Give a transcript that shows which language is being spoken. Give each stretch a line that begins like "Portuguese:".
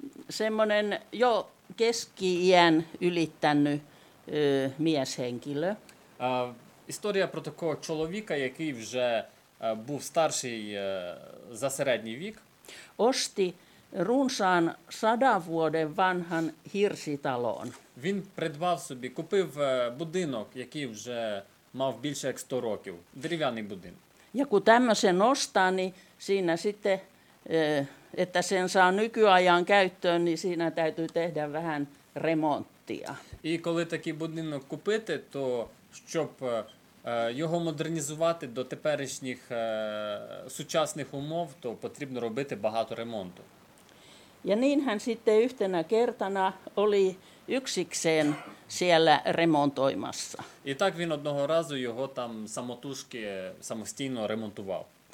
Finnish: Semmoinen jo keski-iän ylittänyt mieshenkilö.
Ukrainian: Історія про такого чоловіка, який вже був старший за середній вік.
Finnish: Osti runsaan 100 vuoden vanhan hirsitalon.
Ukrainian: Він придбав собі, купив будинок, який вже мав більше як 100 років. Дерев'яний будинок.
Finnish: Ja kun tämmöisen ostaa, niin siinä sitten, että sen saa nykyajan käyttöön, niin siinä täytyy tehdä vähän remonttia.
Ukrainian: I коли такий будинок купити, то щоб його модернізувати до теперішніх сучасних умов, то потрібно робити багато ремонту.
Finnish: Ja niinhän sitten yhtenä kertana oli yksikseen siellä remontoimassa.
Ukrainian: І так він одного разу його там самотужки самостійно ремонтував.